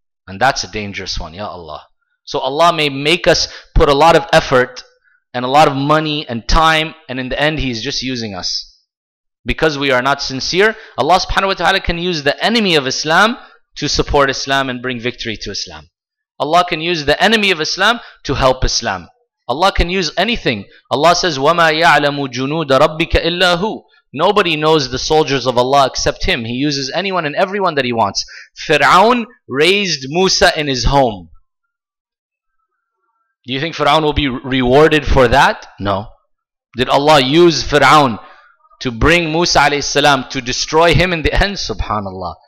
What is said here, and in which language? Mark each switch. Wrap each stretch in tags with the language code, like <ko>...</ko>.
<en>And that's a dangerous one, Ya Allah. So Allah may make us put a lot of effort and a lot of money and time, and in the end He's just using us. Because we are not sincere, Allah subhanahu wa ta'ala can use the enemy of Islam to support Islam and bring victory to Islam. Allah can use the enemy of Islam to help Islam. Allah can use anything. Allah says,</en> <ar>وَمَا يَعْلَمُ جُنُودَ رَبِّكَ إِلَّا هُ.</ar> <en>Nobody knows the soldiers of Allah except Him. He uses anyone and everyone that He wants. Fir'aun raised Musa in his home. Do you think Fir'aun will be rewarded for that? No. Did Allah use Fir'aun to bring Musa alayhi salam to destroy him in the end? Subhanallah.</en>